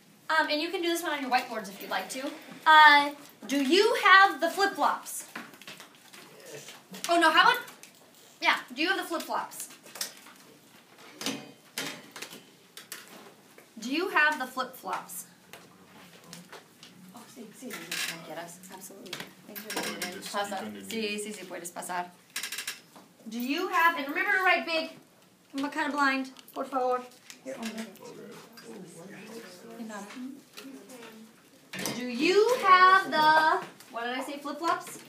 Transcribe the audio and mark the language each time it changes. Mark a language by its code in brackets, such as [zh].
[en] And you can do this one on your whiteboards if you'd like to. Do you have the flip-flops? Yes. Oh, no, how about? Yeah, do you have the flip-flops? Do you have the flip-flops? [es] Oh, sí, sí, sí. [en] Get us. Absolutely. Thanks for being here. [es] Pasa. Sí, sí, sí, puedes pasar. [en] Do you have, and remember to write big. I'm kind of blind. [es] Por favor. [en] Do you have the, what did I say, flip-flops?